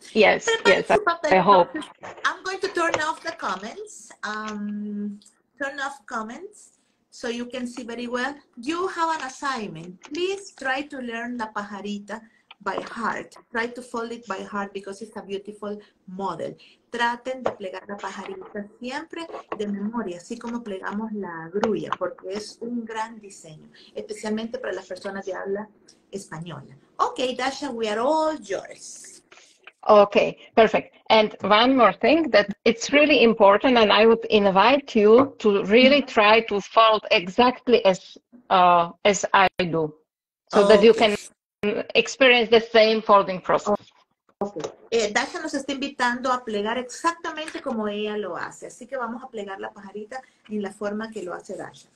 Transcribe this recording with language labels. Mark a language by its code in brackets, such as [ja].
[en] Yes. Yes. I hope. I'm going to turn off the comments. Turn off comments so you can see very well. You have an assignment. Please try to learn La Pajarita by heart. Try to fold it by heart because it's a beautiful model. [es] Traten de plegar la pajarita siempre de memoria, así como plegamos la grulla, porque es un gran diseño, especialmente para las personas que hablan española. [en] Okay, Dasha, we are all yours. Okay, perfect. And one more thing, that it's really important, and I would invite you to really try to fold exactly as I do, so that you can experience the same folding process. [es] Dasha nos está invitando a plegar exactamente como ella lo hace, así que vamos a plegar la pajarita en la forma que lo hace Dasha.